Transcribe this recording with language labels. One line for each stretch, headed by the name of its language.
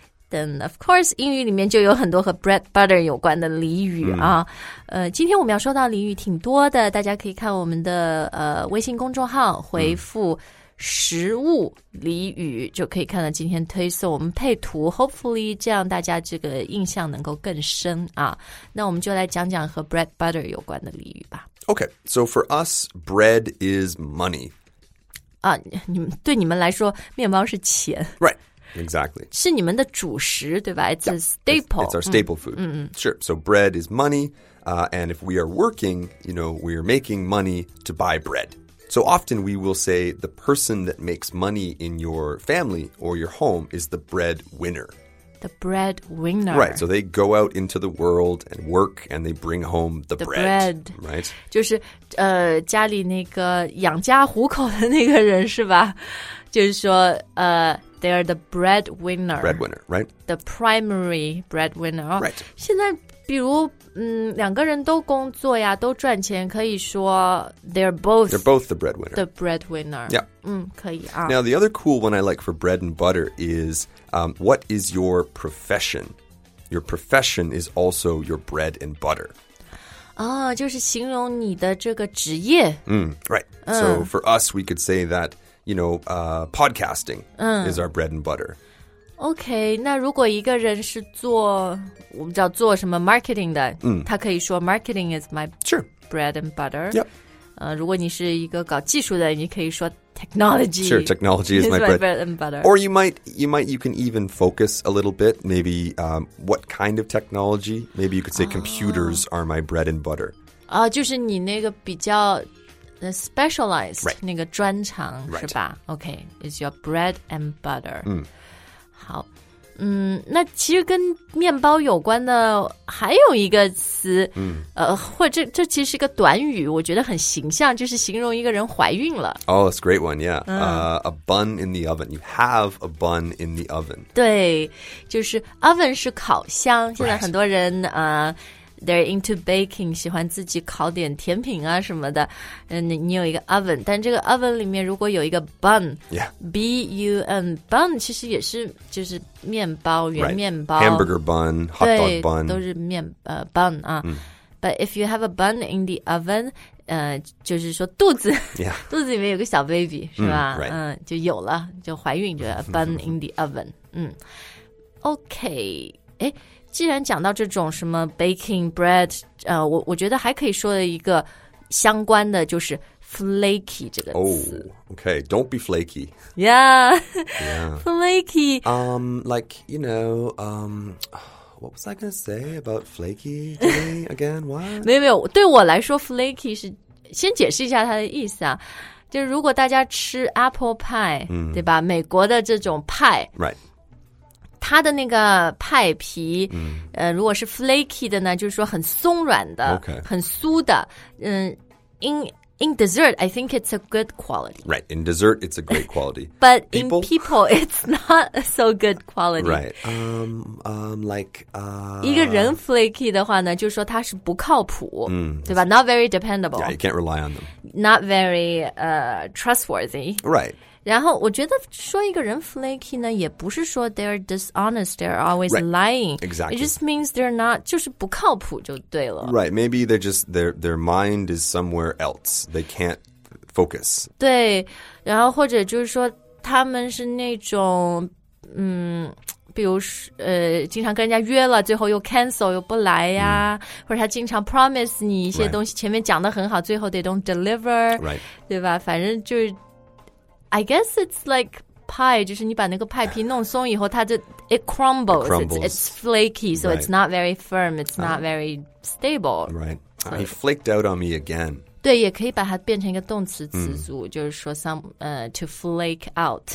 English: Then of course
Chinese: 英语里面就有很多和 bread butter 有关的俚语啊、今天我们要说到俚语挺多的大家可以看我们的微信公众号回复食物俚语就可以看到今天推送我们配图 Hopefully 这样大家这个印象能够更深啊。那我们就来讲讲和 bread butter 有关的俚语吧
English: Okay, so for us, bread is money
Chinese: 啊你们，对你们来说面包是钱
English: Right, exactly
Chinese: 是你们的主食对吧
English: It's yeah, a staple it's our staple food Sure, so bread is money and if we are working, you know, we are making money to buy breadSo often we will say the person that makes money in your family or your home is the breadwinner. The breadwinner. Right, so they go out into the world and work and they bring home the bread. Bread. Right.
Chinese: 就是家里那个养家糊口的那个人是吧就是说
English: they are the breadwinner. Breadwinner, right. The primary breadwinner. Right.
Chinese: 现在比如两个人都工作呀都赚钱可以说
English: they're both the breadwinner. The breadwinner. Yeah.
Chinese: 可以啊。
English: Now, the other cool one I like for bread and butter is, what is your profession? Your profession is also your bread and butter.
Chinese: 就是形容你的这个职业。
English: Right. So, for us, we could say that, you know, podcasting is our bread and butter.
Chinese: OK, 那如果一个人是做我们叫做什么 marketing 的、嗯、他可以说
English: marketing is my、 sure. bread and butter、 yep.
Chinese: 如果你是一个搞技术的你可以说 technology.
English: Sure, technology is my bread and butter. Or you can even focus a little bit, maybe、what kind of technology. Maybe you could say、oh. computers are my bread and butter.、
Chinese: 就是你那个比较 specialized,、
English: right.
Chinese: 那个专长、
English: right.
Chinese: 是吧
English: ?OK, it's your bread and butter.、 Mm.
Chinese: 好、那其实跟面包有关的还有一个词、或者 这其实是一个短语我觉得很形象就是形容一个人怀孕了
English: Oh, it's a great one, yeah、a bun in the oven You have a bun in the oven
Chinese: 对就是 oven 是烤箱现在很多人、
English: right. They're into baking
Chinese: 喜欢自己烤点甜品啊什么的、你有一个 oven 但这个 oven 里面如果有一个 bun、
English: yeah.
Chinese: B-U-N bun 其实也是就是面包原面包、
English: right. Hamburger bun, hot dog bun
Chinese: 都是面、bun 啊、mm.
English: But if you have a bun in the oven、
Chinese: 就是说肚子、
English: yeah.
Chinese: 肚子里面有个小 baby 是吧、mm,
English: right.
Chinese: 就有了就怀孕就
English: a bun in the oven
Chinese: 嗯 OK 诶既然讲到这种什么
English: baking bread,
Chinese: 我觉得还可以说的一个相关的就是 flaky 这个词。
English: Oh, okay, don't be flaky. Yeah, yeah. flaky. Like, you know, what was I going to say about flaky today again? What?
Chinese: 没有没有，对我来说 flaky 是先解释一下它的意思啊。就如果大家吃 apple pie,、 mm. 对吧？美国的这种 pie.
English: Right.
Chinese: 它的那个派皮、嗯、如果是 flaky 的呢就是说很松软的、
English: okay.
Chinese: 很酥的、
English: in dessert, I think it's a good quality. Right, in dessert, it's a great quality. But in people, it's not so good quality. Right, like...
Chinese: 一个人 flaky 的话呢就是说它是不靠谱、 mm, 对吧
English: not very dependable. Yeah, you can't rely on them. Not very trustworthy. Right.
Chinese: 然后我觉得说一个人 flaky 呢也不是说
English: they're dishonest, they're always right, lying. Exactly. It just means they're not,
Chinese: 就是不靠谱就对了。
English: Right, maybe they're just, their mind is somewhere else. They can't focus.
Chinese: 对然后或者就是说他们是那种比如经常跟人家约了最后又 cancel, 又不来呀、mm. 或者他经常 promise 你一些东西、
English: right.
Chinese: 前面讲得很好最后
English: they don't deliver. Right.
Chinese: 对吧反正就是
English: I guess it's like pie,
Chinese: 就是你把那个派皮弄松以后它就
English: it crumbles, it's flaky, so、 right. it's not very firm, it's not very stable. Right, so, he flaked out on me again.
Chinese: 对也可以把它变成一个动词词组、mm. 就是说 to flake out.、